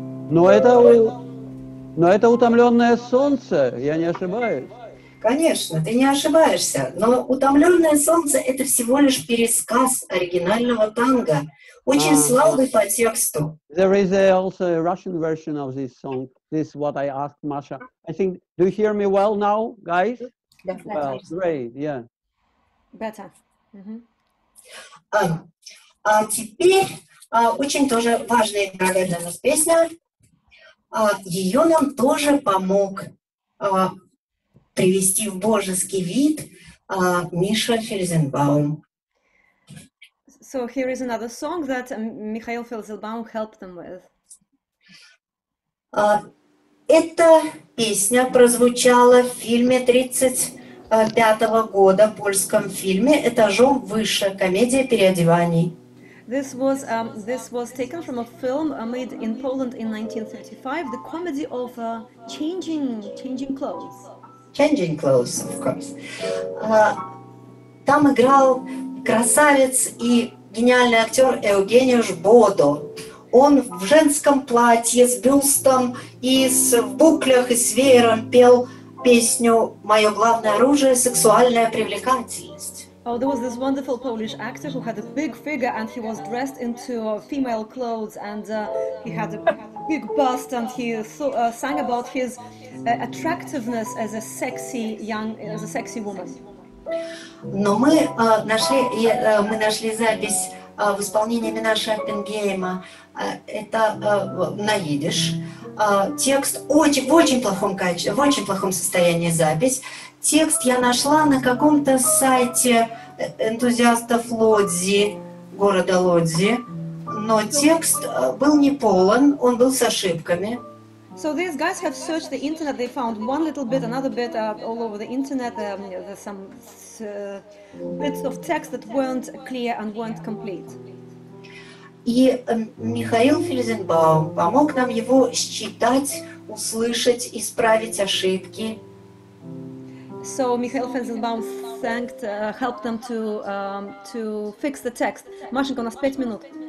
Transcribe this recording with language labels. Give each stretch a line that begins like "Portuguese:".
Russian: Но это утомленное солнце, я не ошибаюсь. Конечно, ты не ошибаешься, но «Утомленное солнце» — это всего лишь пересказ оригинального танго, очень слабый по тексту.
English: There is also a Russian version of this song. This is what I asked Masha. I think, do you hear me well now, guys? Definitely. Well, great, yeah. Better. Mm-hmm.
Russian: Теперь очень тоже важная и дорогая для нас песня. Ее нам тоже помог привести в божеский вид Миша Фельзенбаум.
English: So here is another song that Михаил Фельзенбаум helped them with.
Russian: Эта песня прозвучала в фильме 35-го года, польском фильме «Этажом выше», комедия переодеваний.
English: This was taken from a film made in Poland in 1935, the comedy of changing clothes. Changing clothes, of course.
Russian: Там играл красавец и гениальный актер Евгениуш Бодо. Он в женском платье с бюстом и с буклях и с веером пел песню «Мое главное оружие – сексуальная привлекательность».
English: Oh, there was this wonderful Polish actor who had a big figure and he was dressed into female clothes and he had a big bust and he sang about his attractiveness as a sexy young, as a sexy woman.
Russian: Но мы нашли, мы нашли запись в исполнении Минаша Оппенгейма. Это на идиш. Текст очень, в очень плохом состоянии запись. Текст я нашла на каком-то сайте энтузиастов Лодзи, города Лодзи, но текст был не полон, он был с ошибками.
English: So these guys have searched the internet. They found one little bit, another bit, all over the internet. There's some bits of text that weren't clear and weren't complete.
Russian: И Михаил Фельзенбаум помог нам его считать, услышать, исправить ошибки.
English: So Михаил Фельзенбаум thanked, helped them to fix the text.
Russian: Машенька, у нас 5 минут.